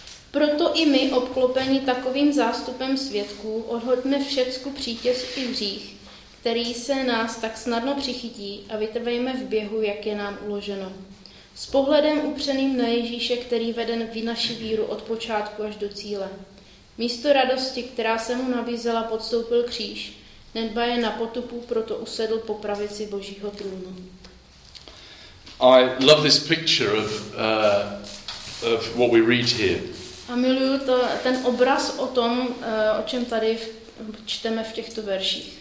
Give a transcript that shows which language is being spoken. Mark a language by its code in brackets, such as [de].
[cs] Proto i my, obklopeni takovým zástupem svědků, odhodme všecku přítěž i hřích, který se nás tak snadno přichytí, a vytrvejme v běhu, jak je nám uloženo. S pohledem upřeným na Ježíše, který vede naši víru od počátku až do cíle. Místo radosti, která se mu nabízela, podstoupil kříž, nedbaje na potupu, proto usedl po pravici Božího trůnu. [en] I love this picture of what we read here. [cs] A miluju to, ten obraz o tom, o čem tady čteme v těchto verších.